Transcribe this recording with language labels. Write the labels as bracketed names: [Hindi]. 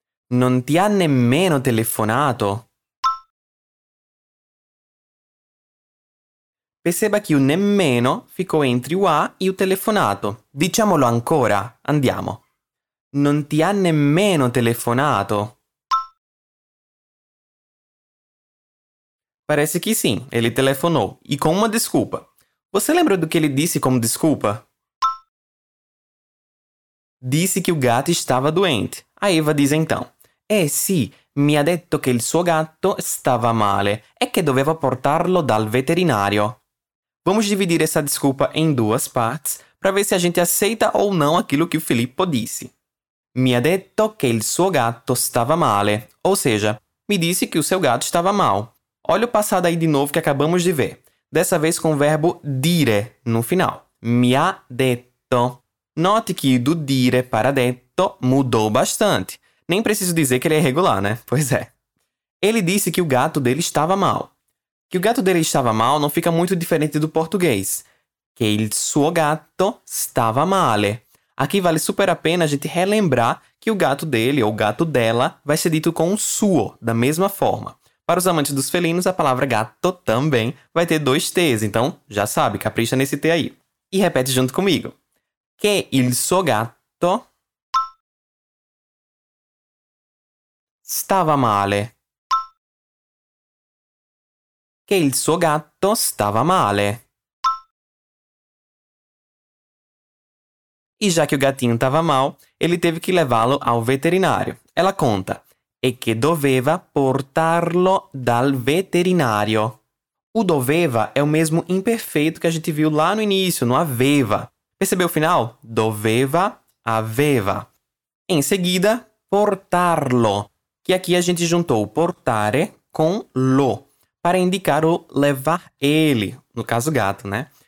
[Italian] Non ti ha nemmeno telefonato. [Portuguese] Perceba que o nemmeno ficou entre o a e o telefonato. [Italian] Diciamolo ancora. Andiamo. Non ti ha nemmeno telefonato. [Portuguese] Parece que sim, ele telefonou, e com uma desculpa. Você lembra do que ele disse como desculpa? Disse que o gato estava doente. A Eva diz então, [Italian] Eh sì, mi ha detto che il suo gatto stava male e che doveva portarlo dal veterinario. [Portuguese] Vamos dividir essa desculpa em duas partes para ver se a gente aceita ou não aquilo que o Filippo disse. [Italian] Mi ha detto che il suo gatto stava male, [Portuguese] ou seja, me disse que o seu gato estava mal. Olha o passado aí de novo que acabamos de ver. Dessa vez com o verbo dire no final. [Italian] Mi ha detto. [Portuguese] Note que do dire para detto mudou bastante. Nem preciso dizer que ele é irregular, né? Pois é. Ele disse que o gato dele estava mal. Que o gato dele estava mal não fica muito diferente do português. [Italian] Che il suo gatto stava male. [Portuguese] Aqui vale super a pena a gente relembrar que o gato dele ou gato dela vai ser dito com o suo, da mesma forma. Para os amantes dos felinos, a palavra gato também vai ter dois T's, então já sabe, capricha nesse T aí. E repete junto comigo. [Italian] Che il suo gatto stava male. Che il suo gatto stava male. [Portuguese] E já que o gatinho estava mal, ele teve que levá-lo ao veterinário. Ela conta. [Italian] E che doveva portarlo dal veterinario. [Portuguese] O doveva é o mesmo imperfeito que a gente viu lá no início, no aveva. Percebeu o final? Doveva, aveva. Em seguida, portarlo. Que aqui a gente juntou portare com lo, para indicar o levar ele, no caso gato, né?